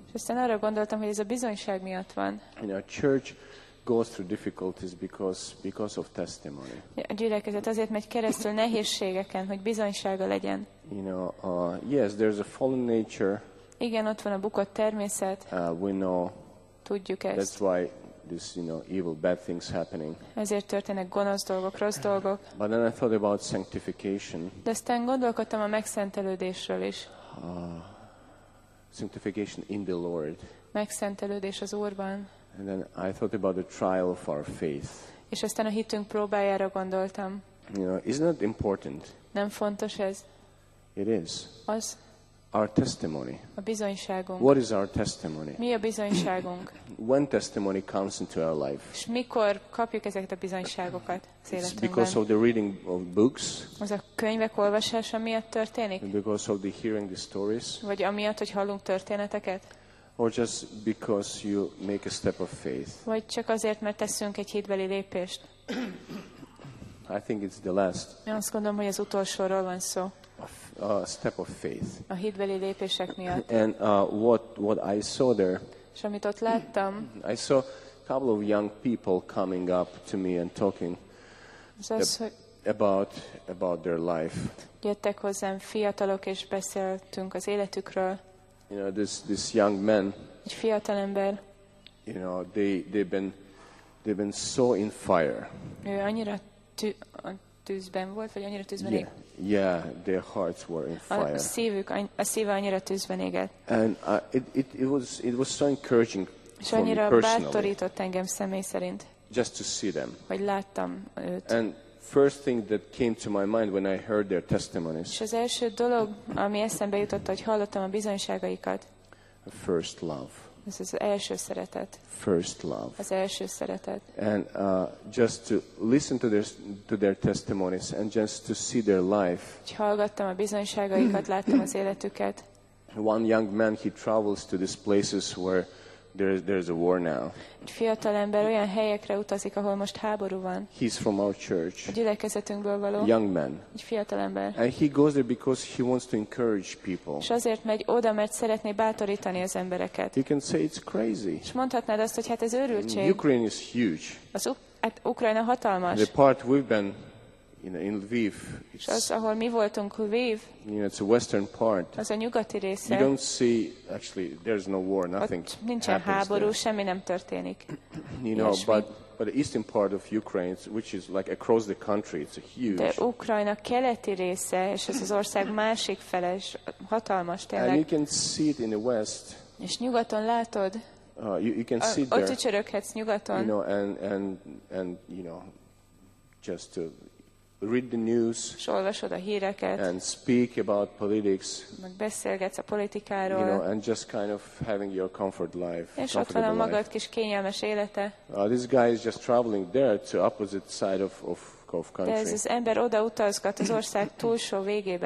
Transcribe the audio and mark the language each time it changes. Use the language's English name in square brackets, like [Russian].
[Hungarian] És aztán arra gondoltam, hogy ez a bizonyság miatt van. [English] You know, church goes through difficulties because of testimony. [Hungarian] A gyülekezet azért megy keresztül nehézségeken, hogy bizonysága legyen. [English] You know, yes, there's a fallen nature. [Hungarian] Igen, ott van a bukott természet. [English] We know. [Hungarian] Tudjuk ezt. [English] That's why this, you know, evil, bad things happening. [Hungarian] Ezért történnek gonosz dolgok, rossz dolgok. [English] But then I thought about sanctification. [Hungarian] De aztán gondolkodtam a megszentelődésről is. [English] Sanctification in the Lord. [Hungarian] Megszentelődés az Úrban. [English] And then I thought about the trial of our faith. [Hungarian] És aztán a hitünk próbájára gondoltam. [English] You know, isn't that important? [Hungarian] Nem fontos ez? [English] It is. [Hungarian] Az? [English] Our testimony. [Hungarian] A bizonyságunk. [English] What is our testimony? [Hungarian] Mi a bizonyságunk? [English] When testimony comes into our life. [Hungarian] És mikor kapjuk ezeket a bizonyságokat az életünkben? [English] It's because of the reading of books. [Hungarian] Az a könyvek olvasása miatt történik? [English] Because of the hearing the stories. [Hungarian] Vagy amiatt, hogy hallunk történeteket? [English] Or just because you make a step of faith. [Hungarian] Vagy csak azért, mert teszünk egy hitbeli lépést. [English] I think it's the last. [Hungarian] Én azt gondolom, hogy az utolsóról van szó. [English] A step of faith. [Hungarian] A hitbeli lépések miatt. [English] And what I saw there. [Hungarian] És amit ott láttam. [English] I saw a couple of young people coming up to me and talking. [Hungarian] Az, hogy [English] about their life. [Hungarian] Jöttek hozzám fiatalok és beszéltünk az életükről. [English] You know, this young man. [Hungarian] Egy fiatal ember. [English] You know, they've been so in fire. [Hungarian] Ő annyira tűzben volt, vagy annyira tűzben [English] égett. Yeah, their hearts were in fire. [Hungarian] A szíve annyira tűzben égett. [English] And it was so encouraging. [Hungarian] És annyira bátorított engem személy szerint. [English] Just to see them. [Hungarian] Hogy láttam őt. [English] And first thing that came to my mind when I heard their testimonies. [Hungarian] És az első dolog, ami eszembe jutott, hogy hallottam a bizonyságaikat. [English] A first love. [Hungarian] Ez az első szeretet. [English] First love. [Hungarian] Az első szeretet. [English] And just to listen to their testimonies and just to see their life. [Hungarian] És hallgattam a bizonyságaikat, láttam az életüket. [English] One young man, he travels to these places where there's a war now. [Hungarian] Egy fiatal ember olyan helyekre utazik, ahol most háború van. [English] He's from our church. [Hungarian] A gyülekezetünkből való. [English] Young man. [Hungarian] Egy fiatal ember. [English] And he goes there because he wants to encourage people. [Hungarian] És azért megy oda, mert szeretné bátorítani az embereket. [English] You can say it's crazy. [Hungarian] És mondhatnád azt, hogy hát ez őrültség. [English] Ukraine is huge. [Hungarian] Hát Ukrajna hatalmas. [English] The part we've been in Lviv. [Hungarian] És az, ahol mi voltunk, Lviv. [English] You know, it's a western part. [Hungarian] Az a nyugati része. [English] You don't see, actually, there's no war, nothing. [Hungarian] Ott nincsen háború, semmi nem történik. [English] You know, but the eastern part of Ukraine, which is like across the country, it's a huge. [Hungarian] De Ukrajna keleti része, és ez az ország másik fele, és hatalmas tényleg. [English] And you can see it in the west. [Hungarian] És nyugaton látod. [English] You can see it [Hungarian] there. Ott csöröghetsz nyugaton. [English] You know, and you know, just to read the news. [Hungarian] És olvasod a híreket. [English] And speak about politics. [Hungarian] Meg beszélgetsz a politikáról. [English] You know, and just kind of having your comfort life. [Hungarian] És ott van a magad kis kényelmes élete. [English] This guy is just traveling there to opposite side of country. [Hungarian] De ez az ember oda utazgat az ország túlsó végébe.